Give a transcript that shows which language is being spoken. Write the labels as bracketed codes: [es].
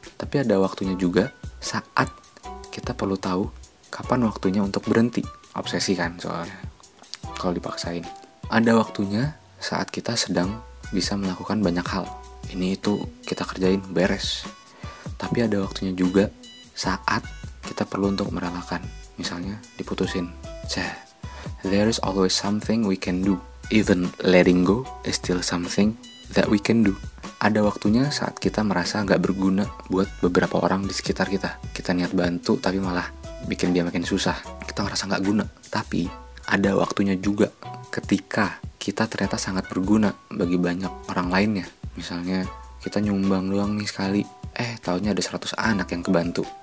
[id] Tapi ada waktunya juga saat kita perlu tahu kapan waktunya untuk berhenti. Obsesi kan soalnya, kalau dipaksain. Ada waktunya saat kita sedang bisa melakukan banyak hal. Ini itu kita kerjain, beres. Tapi ada waktunya juga saat kita perlu untuk merelakan. Misalnya, diputusin. [en] There is always something we can do. Even letting go is still something that we can do. [id] Ada waktunya saat kita merasa gak berguna buat beberapa orang di sekitar kita. Kita niat bantu, tapi malah bikin dia makin susah. Kita merasa gak guna. Tapi, ada waktunya juga ketika kita ternyata sangat berguna bagi banyak orang lainnya. Misalnya, kita nyumbang doang nih sekali. Taunya ada 100 anak yang kebantu.